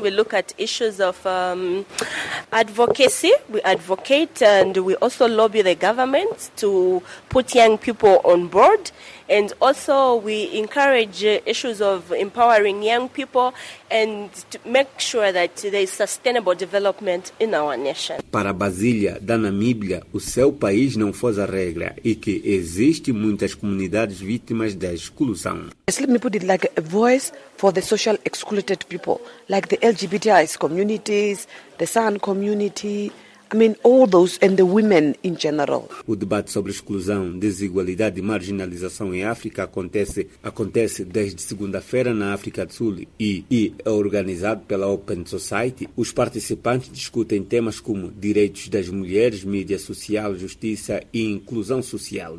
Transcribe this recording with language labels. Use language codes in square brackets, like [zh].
[en] We look at issues of advocacy. We advocate and we also lobby the government to put young people on board. And also we encourage issues of empowering young people and to make sure that there is sustainable development in our nation. [pt] Para Basília, da Namíbia, o seu país não faz a regra e que existem muitas comunidades vítimas da exclusão. [en] Let me put it like a voice for the social excluded people, like the LGBTI communities, the San community, I mean, all those and the women in general. [pt] O debate sobre exclusão, desigualdade e marginalização em África acontece desde segunda-feira na África do Sul e é organizado pela Open Society. Os participantes discutem temas como direitos das mulheres, mídia social, justiça e inclusão social.